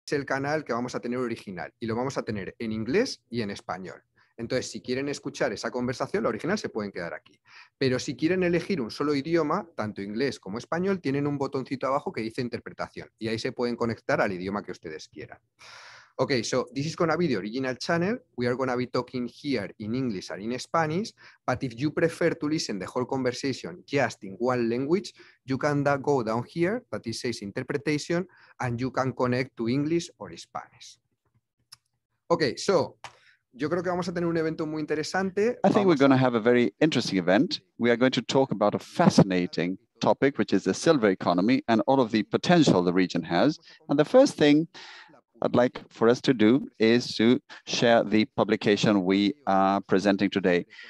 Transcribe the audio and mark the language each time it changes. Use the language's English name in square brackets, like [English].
[Spanish] es el canal que vamos a tener original y lo vamos a tener en inglés y en español. Entonces, si quieren escuchar esa conversación, la original se pueden quedar aquí. Pero si quieren elegir un solo idioma, tanto inglés como español, tienen un botoncito abajo que dice interpretación y ahí se pueden conectar al idioma que ustedes quieran. [English] Okay, so this is going to be the original channel. We are going to be talking here in English and in Spanish. But if you prefer to listen the whole conversation just in one language, you can go down here, that it says interpretation, and you can connect to English or Spanish. Okay, so [Spanish] yo creo que vamos a tener un evento muy interesante. [English] I think we're going to have a very interesting event. We are going to talk about a fascinating topic, which is the silver economy and all of the potential the region has. And the first thing I'd like for us to do is to share the publication we are presenting today.